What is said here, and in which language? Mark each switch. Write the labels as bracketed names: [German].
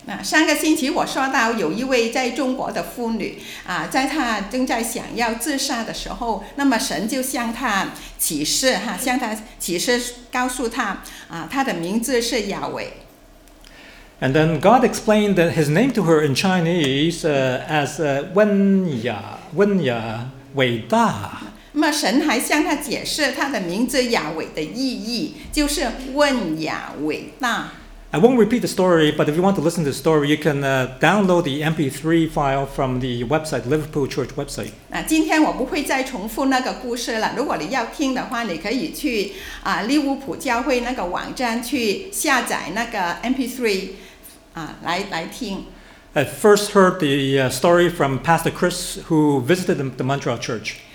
[Chinese] 上个星期我说到有一位在中国的妇女在她正在想要自杀的时候，那么神就向她启示，向她启示告诉她她的名字是亚伟。 [English] And then God explained that his name to her in Chinese as Wen Ya, 伟大。 [Chinese] 那么神还向她解释她的名字亚伟的意义，就是问亚伟大。 [English] I won't repeat the story, but if you want to listen to the story, you can download the MP3 file from the website, Liverpool Church website. [Chinese] 今天我不会再重复那个故事了。如果你要听的话，你可以去利物浦教会那个网站去下载那个 MP3 来听。 [English] I first heard the story from Pastor Chris, who visited the Montreal Church.